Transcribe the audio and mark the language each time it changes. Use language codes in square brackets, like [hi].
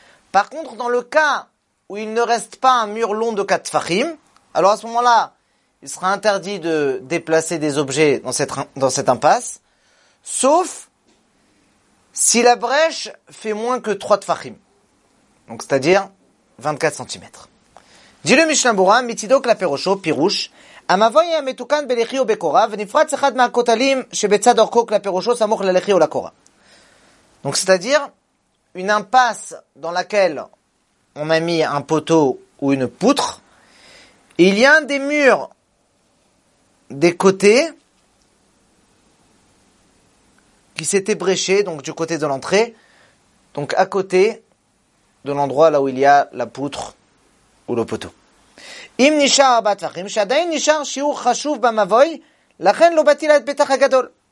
[fr] Par contre, dans le cas où il ne reste pas un mur long de 4 tfachim, alors à ce moment-là, il sera interdit de déplacer des objets dans cette impasse, sauf si la brèche fait moins que 3 tfachim, donc c'est-à-dire 24 cm. Dit le Mishnah Berurah, [he] mitidok la perosho, pirouche, המבוי המתוקן בלחי או בקורה, ונפרץ אחד מהכותלים שבצד אורכו כלפי ראשו סמוך ללחי או לקורה. [fr] Donc c'est-à-dire une impasse dans laquelle on a mis un poteau ou une poutre, et il y a un des murs des côtés qui s'était bréché, donc du côté de l'entrée, donc à côté de l'endroit là où il y a la poutre ou le poteau. [he] אם נישאר ארבעה תפחים, שעדיין נישאר שיעור חשוב במבוי, לכן לא בטיל את פתח הגדול.